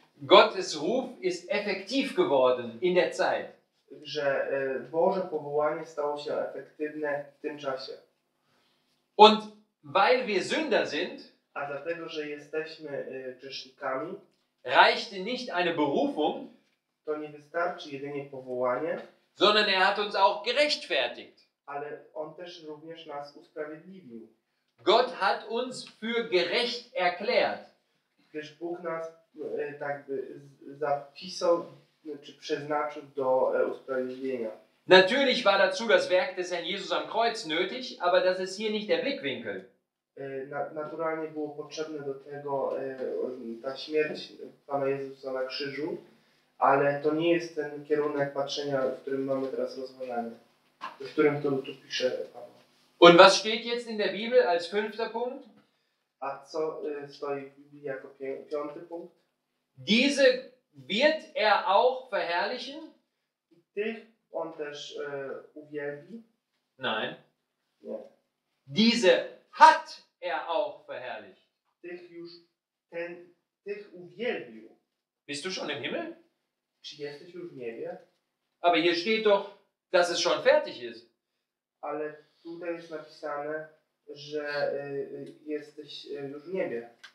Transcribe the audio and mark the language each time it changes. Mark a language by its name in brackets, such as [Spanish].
[German] Gottes Ruf ist effektiv geworden in der Zeit. [Polish] Że Boże powołanie stało się efektywne w tym czasie. [German] Und weil wir Sünder sind, [Polish] a dlatego, że jesteśmy grzesznikami, [German] reichte nicht eine Berufung, [Polish] to nie wystarczy jedynie powołanie, [German] sondern er hat uns auch gerechtfertigt. [Polish] Ale on też również nas usprawiedliwił. [German] Gott hat uns für gerecht erklärt. [Polish] Gdyż Bóg nas tak by zapisał, czy przeznaczył do usprawiedliwienia. [German] Natürlich war dazu das Werk des Herrn Jesus am Kreuz nötig, aber das ist hier nicht der Blickwinkel. [Polish] Naturalnie było potrzebne do tego ta śmierć Pana Jezusa na krzyżu, ale to nie jest ten kierunek patrzenia, w którym mamy teraz rozważanie, w którym to tu pisze Pan. [German] Und was steht jetzt in der Bibel als fünfter Punkt? [Polish] A co stoi w Biblii jako piąty punkt? [German] Diese wird er auch verherrlichen? [Polish] Tych on też uwielbi? [German] Nein. [Polish] Nie. [German] Diese hat er auch verherrlicht. [Polish] Tych już, ten, tych uwielbił. [German] Bist du schon im Himmel? [Polish] Czy jesteś już w niebie? [German] Aber hier steht doch, dass es schon fertig ist. [Polish] Ale tutaj jest napisane, że jesteś już w niebie.